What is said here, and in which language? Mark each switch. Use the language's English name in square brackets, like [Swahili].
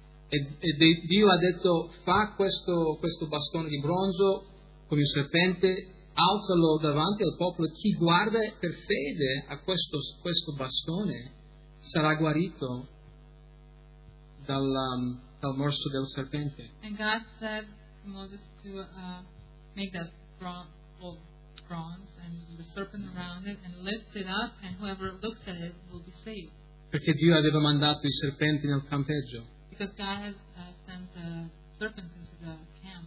[Italian] E Dio ha detto: fa questo bastone di bronzo con il serpente, alzalo davanti al popolo, chi guarda per fede a questo bastone sarà guarito dal morso del serpente. [English] And God said to Moses to make that bronze and the serpent around it and lift it up, and whoever looks at it will be saved. [Italian] Perché Dio aveva mandato i serpenti nel campeggio. [English] Because God has sent the serpent into the camp.